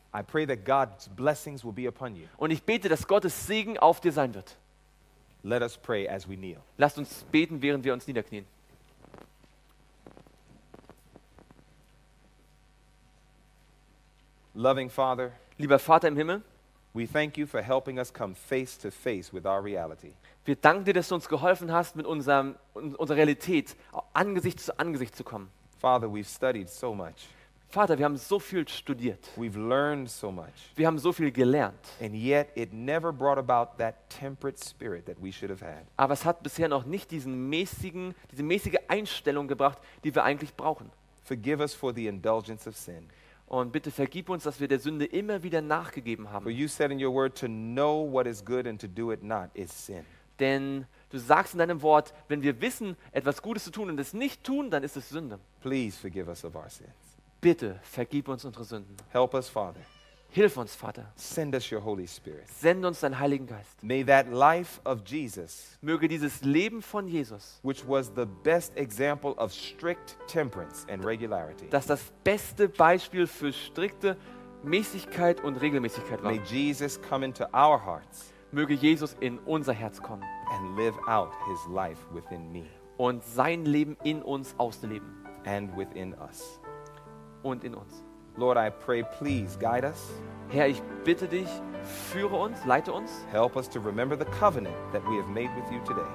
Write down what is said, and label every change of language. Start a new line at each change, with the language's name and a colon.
English: I pray that God's blessings will be upon you.
German: Und ich bete, dass Gottes Segen auf dir sein wird.
English: Let us pray as we kneel.
German: Lasst uns beten, während wir uns niederknien.
English: Loving Father,
German: lieber Vater im Himmel,
English: we thank you for helping us come face to face with our reality.
German: Wir danken dir, dass du uns geholfen hast, mit unserer Realität Angesicht zu Angesicht zu kommen.
English: Father, we've studied so much.
German: Vater, wir haben so viel studiert.
English: We've learned so much.
German: Wir haben so viel gelernt.
English: And yet it never brought about that temperate spirit that we should have had.
German: Aber es hat bisher noch nicht diese mäßige Einstellung gebracht, die wir eigentlich brauchen.
English: Forgive us for the indulgence of sin.
German: Und bitte vergib uns, dass wir der Sünde immer wieder nachgegeben haben.
English: For you said in your word, to know what is good and to do it not is sin.
German: Denn du sagst in deinem Wort, wenn wir wissen, etwas Gutes zu tun und es nicht tun, dann ist es Sünde.
English: Please forgive us of our sins.
German: Bitte vergib uns unsere Sünden.
English: Help us, Father.
German: Hilf uns, Vater.
English: Send us your Holy Spirit.
German: Send uns deinen Heiligen Geist.
English: May that life of Jesus,
German: möge dieses Leben von Jesus,
English: which was the best example of strict temperance and regularity,
German: das das beste Beispiel für strikte Mäßigkeit und Regelmäßigkeit war.
English: May Jesus come into our hearts,
German: möge Jesus in unser Herz kommen,
English: and live out his life within me,
German: und sein Leben in uns ausleben,
English: and within us,
German: und in uns.
English: Lord, I pray, please guide us.
German: Herr, ich bitte dich, führe uns, leite uns.
English: Help us to remember the covenant that we have made with you today.